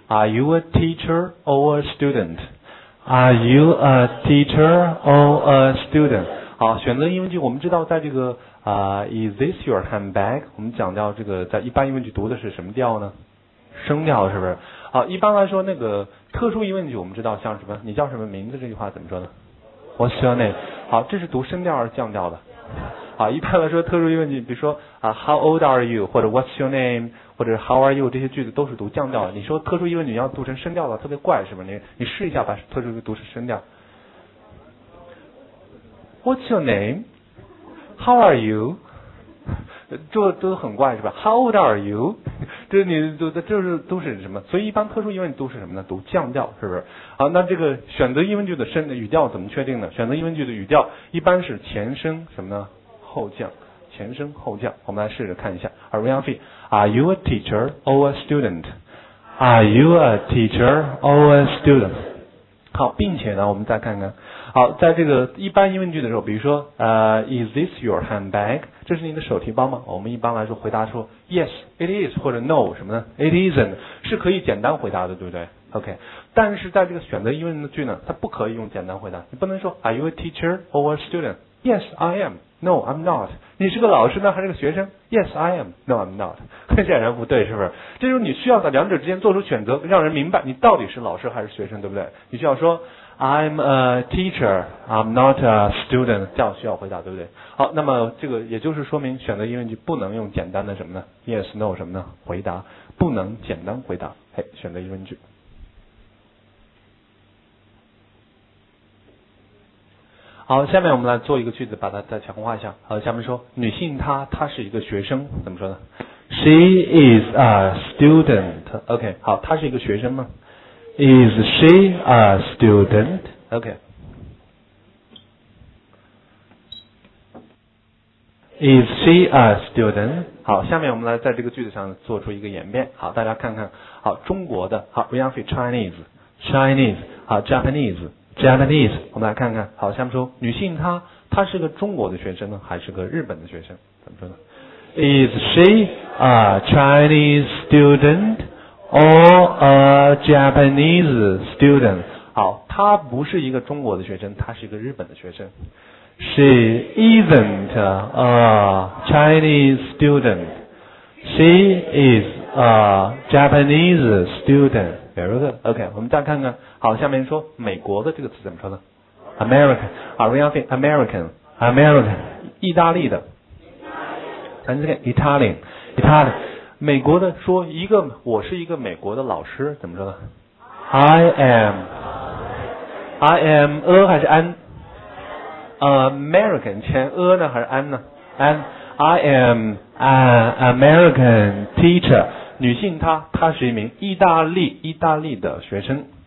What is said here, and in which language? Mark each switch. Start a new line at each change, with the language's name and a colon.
English: Are you a teacher or a student? Are you a teacher or a student?
Chinese: 好，选择疑问句，我们知道在这个
English: Is this your handbag?
Chinese: 我们讲到这个在一般疑问句读的是什么调呢？声调是不是？好，一般来说那个特殊疑问句我们知道像什么？你叫什么名字这句话怎么说呢？
English: What's your name?
Chinese: 好，这是读声调还是降调的？好，一般来说特殊疑问句，比如说
English: How old are you? 或者 What's your name? 或者 How are you?
Chinese: 这些句子都是读降调的。你说特殊疑问句要读成声调的特别怪是不是？你试一下把特殊疑问句读成声调。
English: What's your name? How are you?
Chinese: 这都很怪是吧 ?
English: How old are you?
Chinese: 这都是什么，所以一般特殊疑问都是什么呢，读降调是不是。好，那这个选择疑问句的语调怎么确定呢？选择疑问句的语调一般是前声什么呢，后降，前声后降。我们来试着看一下。
English: Are you a teacher or a student? Are you a teacher or a student? Are you a teacher or a student?
Chinese: 好，并且呢我们再看看。好，在这个一般疑问句的时候，比如说
English: Is this your handbag?
Chinese: 这是您的手提包吗？我们一般来说回答说
English: Yes, it is,
Chinese: 或者 No, 什么呢
English: It isn't,
Chinese: 是可以简单回答的对不对？ OK, 但是在这个选择疑问句呢，它不可以用简单回答。你不能说
English: Are you a teacher or a student? Yes, I am. No, I'm not.
Chinese: 你是个老师呢还是个学生？
English: Yes, I am. No, I'm not.
Chinese: 很显然不对是不是？这就是你需要在两者之间做出选择，让人明白你到底是老师还是学生，对不对？你需要说
English: I'm a teacher, I'm not a student,
Chinese: 这样需要回答对不对？好，那么这个也就是说明选择疑问句不能用简单的什么呢 Yes, No 什么呢回答，不能简单回答。嘿，选择疑问句。好，下面我们来做一个句子，把它再强化一下。好，下面说，女性她是一个学生，怎么说呢 ？
English: She is a student.
Chinese: OK, 好，她是一个学生吗 ？
English: Is she a student? OK. Is she a student?
Chinese: 好，下面我们来在这个句子上做出一个演变。好，大家看看，好，中国的，好 ，
English: we are Chinese,
Chinese: 好 ，Japanese. Japanese, 我们来看看。好，下面说，女性她是个中国的学生呢，还是个日本的学生？怎么说呢 ？
English: Is she a Chinese student or a Japanese student?
Chinese: 好，她不是一个中国的学生，她是一个日本的学生。
English: She isn't a Chinese student. She is a Japanese student. Very good. OK,
Chinese: 我们再看看。好，下面说美国的这个词怎么说呢 ？American,
English: are we American?
Chinese: American, 意大利的。咱这个 Italian, Italian, 美国的说一个，我是一个美国的老师，怎么说呢 ？I am a 还是 an?
English: American 前 a 呢还是 an 呢 ？An, I am an American teacher.
Chinese: 女性她是一名意大利的学生。